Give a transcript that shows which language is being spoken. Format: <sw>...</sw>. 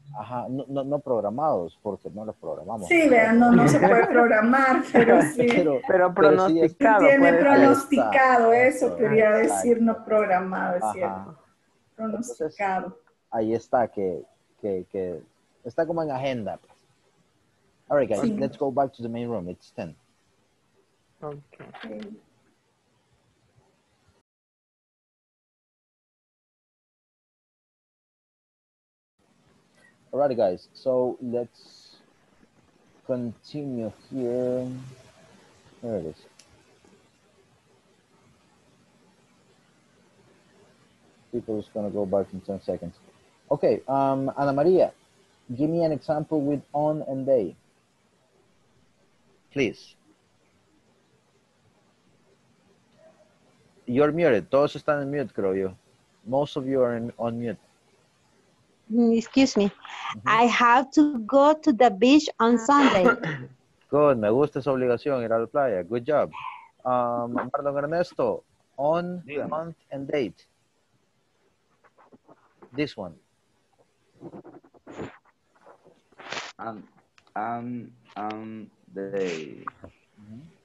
<es>Ajá, no programados, porque no los programamos. Sí, vean, no se puede programar, pero sí. Pero pronosticado. Tiene pronosticado, eso quería decir, no programado, es ajá. Cierto. Pronosticado. Entonces, ahí está, que está como en agenda.</es> <en>All right, guys, sí. Let's go back to the main room, it's 10. Okay. Alrighty, guys, so let's continue here. There it is. People is going to go back in 10 seconds. Okay, Ana Maria, give me an example with on and they. Please. You're muted.</en> <es>Todos están en mute, creo yo.</es> <en>Most of you are on mute. Excuse me. Mm-hmm. I have to go to the beach on Sunday. Good.</en> <es>Me gusta esa obligación, ir a la playa.</es> <en>Good job. Marlon Ernesto, on the month and date. This one. The day. Mm-hmm.</en>